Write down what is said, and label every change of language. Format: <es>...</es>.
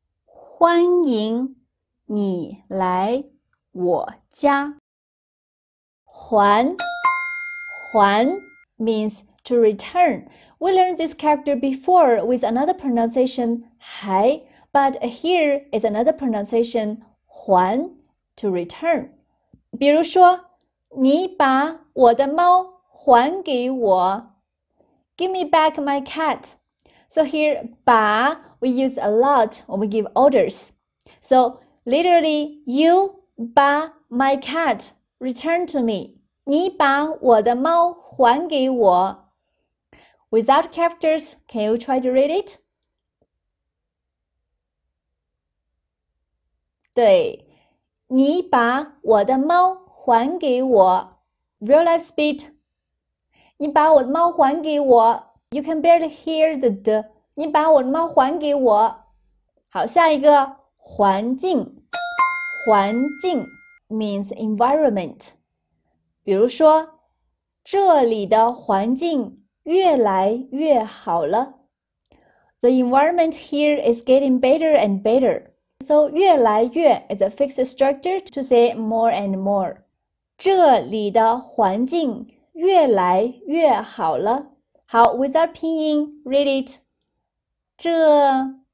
<zh>欢迎你来我家。</zh> <en>还，还 means to return. We learned this character before with another pronunciation 还 but here is another pronunciation 还。 To return.</en> <zh>比如说你把我的猫还给我。</zh> <en>Give me back my cat. So here, 把 we use a lot when we give orders. So literally, you 把 my cat return to me.</en> <zh>你把我的猫还给我。</zh> <en>Without characters, can you try to read it?</en> <zh>对。你把我的猫还给我。</zh> <en>Real life speed.</en> <zh>你把我的猫还给我。</zh> <en>You can barely hear the d.</en> <zh>你把我的猫还给我。好，下一个，环境。环境</zh> <en>means environment.</en> <zh>比如说，这里的环境越来越好了。</zh> <en>The environment here is getting better and better. So, 越来越 is a fixed structure to say more and more.</en> <zh>这里的环境越来越好了。</zh> <en>好 without 拼音 read it.</en> <zh>这</zh>